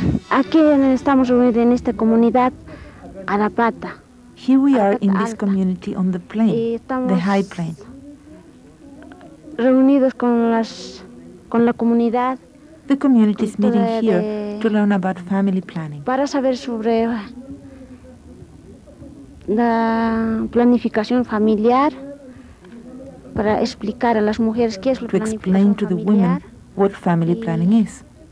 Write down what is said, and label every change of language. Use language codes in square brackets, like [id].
[es] Aquí estamos reunidos en esta comunidad a la pata. [en] Here we are in this community on the plain, the high plain. [es] Reunidos con las con la comunidad. [en] The community is meeting here to learn about family planning. [es] Para saber sobre la planificación familiar, para explicar a las mujeres qué es la planificación familiar. [en] To explain to the women what family planning is.